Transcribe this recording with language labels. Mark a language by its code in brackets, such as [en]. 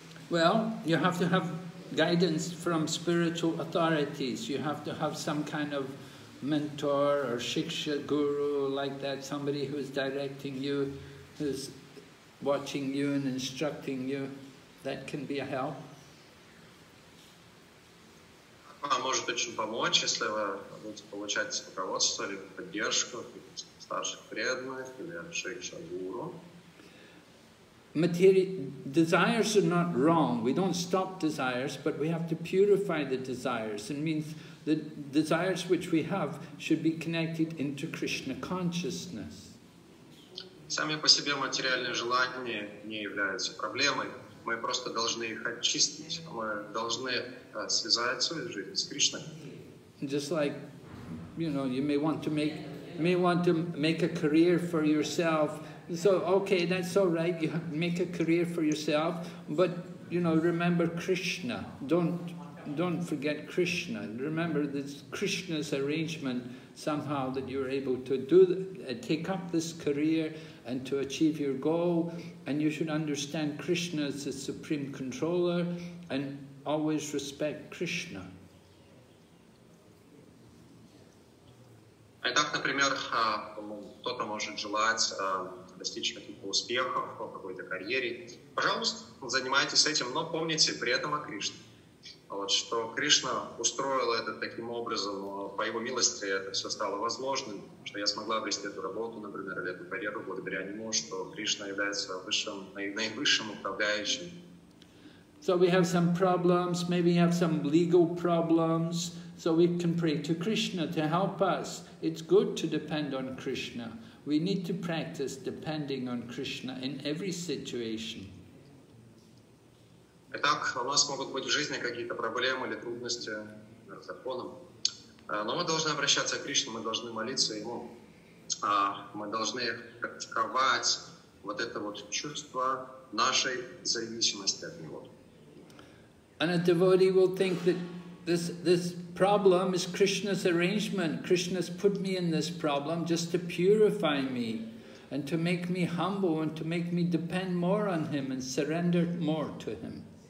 [en] Well, you have to have guidance from spiritual authorities. You have to have some kind of mentor or shiksha guru like that, somebody who is directing you, who is watching you and instructing you. That can be a help. [ru] Может очень помочь, если вы будете получать руководство или поддержку старших преданных или шикша гуру. [en] Desires are not wrong. We don't stop desires, but we have to purify the desires. It means the desires which we have should be connected into Krishna consciousness. [ru] Сами по себе материальные желания не являются проблемой. Мы просто должны их очистить. Мы должны связать свою жизнь с Кришной. [en] Just like, you know, you may want to make a career for yourself. So, okay, that's all right, you make a career for yourself, but, you know, remember Krishna, don't forget Krishna, remember this Krishna's arrangement somehow that you're able to do, take up this career and to achieve your goal, and you should understand Krishna as the supreme controller and always respect Krishna. [ru] Итак, например, кто-то может желать достичь каких-то успехов по какой-то карьере. Пожалуйста, занимайтесь этим, но помните при этом о Кришне. Вот, что Кришна устроила это таким образом, по его милости это все стало возможным, что я смогла обрести эту работу, например, или эту карьеру благодаря нему, что Кришна является высшим, наивысшим управляющим. [en] So we have some problems, maybe we have some legal problems. So we can pray to Krishna to help us. It's good to depend on Krishna. We need to practice depending on Krishna in every situation. [ru] Итак, у нас могут быть в жизни какие-то проблемы или трудности с законом. Но мы должны обращаться к Кришне, мы должны молиться Ему. Мы должны практиковать вот это вот чувство нашей зависимости от Него. [en] And a devotee will think that this problem is Krishna's arrangement. Krishna's put me in this problem just to purify me and to make me humble and to make me depend more on Him and surrender more to Him.